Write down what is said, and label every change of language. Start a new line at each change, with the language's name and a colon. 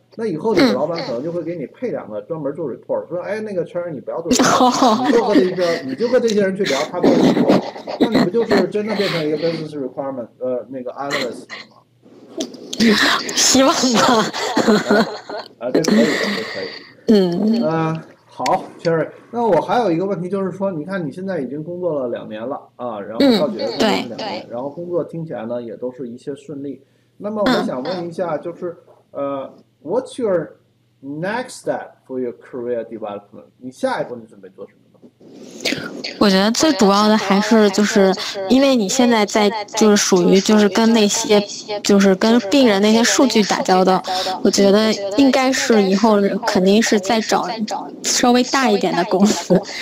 Chinese: 那以后你的老板可能就会给你配两个专门做 report，说哎那个圈你不要做 report，你就和这些人去聊他们的 report，那你不就是真的变成一个 business requirement 那个 analyst 了吗？希望吧啊，这可以，这可以。好，Cherry，那我还有一个问题，就是说，你看你现在已经工作了2年了啊，然后到学工作对两年，对，然后工作听起来呢也都是一切顺利。那么我想问一下，就是
English: what's your next step for your career development？
Chinese: 你下一步你准备做什么？我觉得最主要的还是就是，因为你现在在就是属于就是跟那些就是跟病人那些数据打交道，我觉得应该是以后肯定是在找稍微大一点的公司，